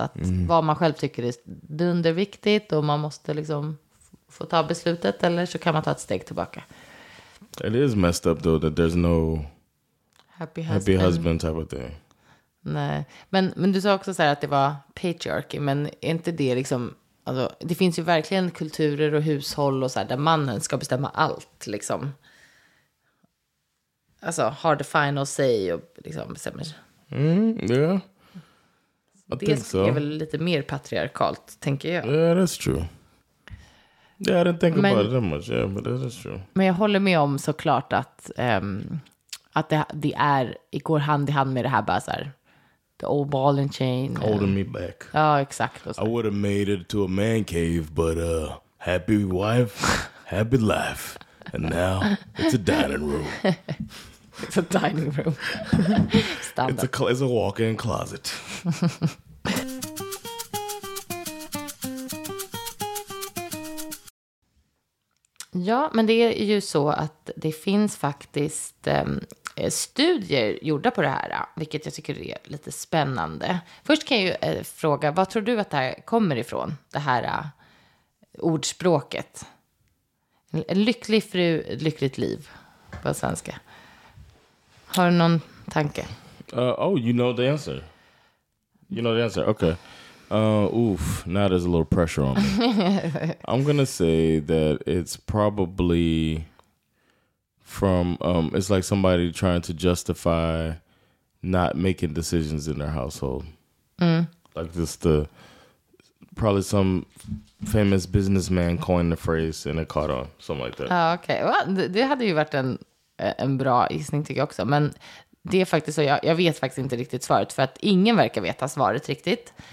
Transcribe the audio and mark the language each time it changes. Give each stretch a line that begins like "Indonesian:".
Swedish: Att vad man själv tycker är dunderviktigt och man måste liksom... Får ta beslutet eller så kan man ta ett steg tillbaka.
English: It is messed up though that there's no happy husband type of thing.
Swedish: Nej, men du sa också så här att det var patriarchy, men är inte det liksom, alltså, det finns ju verkligen kulturer och hushåll och så här, där mannen ska bestämma allt liksom. Alltså har
English: the final say
Swedish: och liksom bestämmer.
English: Yeah. I think so.
Swedish: Det är väl lite mer patriarkalt tänker jag.
English: Yeah, that's true. Yeah, I didn't think about it that much, yeah, but that is true.
Swedish: Men jag håller med om såklart att att det är går hand i hand med det här bara så här,
English: the old ball and chain holding me back.
Swedish: Ja, exakt.
English: I would have made it to a man cave, but happy wife, happy life, and now it's a dining room. It's a dining room. it's a walk-in closet.
Swedish: Ja, men det är ju så att det finns faktiskt studier gjorda på det här, vilket jag tycker är lite spännande. Först kan jag ju fråga, vad tror du att det här kommer ifrån, det här ordspråket? En lycklig fru, lyckligt liv på svenska. Har du någon tanke?
English: You know the answer, okay. Now there's a little pressure on me. I'm gonna say that it's probably from it's like somebody trying to justify not making decisions in their household. Like just the probably some famous businessman coined the phrase and it caught on, something like that.
Swedish: Ja, okej. Okay. Well, det hade ju varit en bra gissning tycker jag också, men det är faktiskt så, jag vet faktiskt inte riktigt svaret för att ingen verkar veta svaret riktigt.